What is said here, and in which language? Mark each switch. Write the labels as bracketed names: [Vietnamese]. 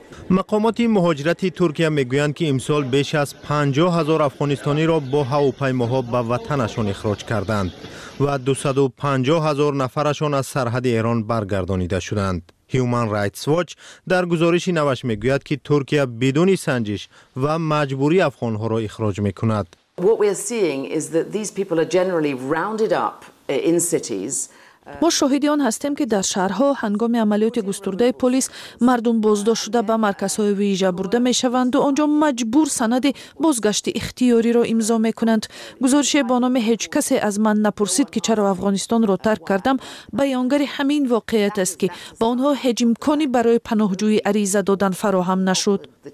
[Persian] مقامات مهاجرت ترکیه می گویند که امسال بیش از 50,000 افغانستانی را با هواپیماها به وطنشان اخراج کردند و 250,000 نفرشان از سرحد ایران برگردانیده شدند. Human Rights Watch در گزارشی نوش می گوید که ترکیه بدون سنجش و مجبوری افغانها را اخراج می کند. [English] What we are seeing is that these people are generally rounded up in cities. [Persian] ما شاهد آن هستیم که در شهرها هنگام عملیات گسترده پلیس مردم بازداشت شده به مرکزهای ویژه برده می شوند و آنجا مجبور سند بازگشت اختیاری را امضا می کنند. گزارش با نام هیچ کسی از من نپرسید که چرا افغانستان را ترک کردم بیانگر همین واقعیت است که با آنها هیچ امکانی برای پناهجویی عریضه دادن فراهم نشد.